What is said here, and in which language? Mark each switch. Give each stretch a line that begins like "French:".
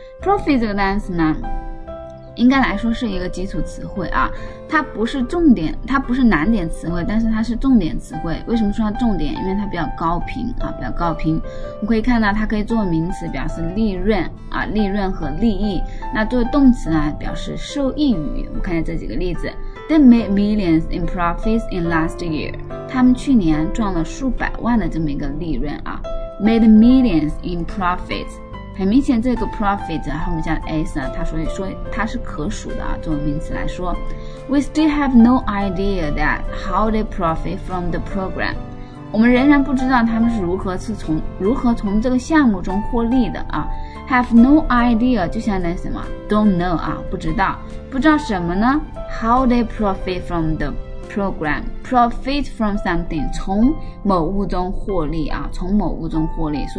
Chinese: Profit 这个单词呢应该来说是一个基础词汇啊，它不是重点，它不是难点词汇，但是它是重点词汇。为什么说它重点？因为它比较高频啊，比较高频。我们可以看到它可以作为名词表示利润啊，利润和利益。那作为动词呢表示受益于。我们看一下这几个例子。
English: They made millions in profits in last year.
Chinese: 他们去年赚了数百万的这么一个利润啊。 Made millions in profits, 很明显这个 profit 后面加 s 啊，它所以说它是可数的啊，作为名词来说。
English: We still have no idea that how they profit from the program.
Chinese: 我们仍然不知道他们是如何从这个项目中获利的啊。 Have no idea 就相当于什么 ？ Don't know 啊，不知道，不知道什么呢 ？ How they profit from the program, profit from something, 从某物中获利啊，从某物中获利。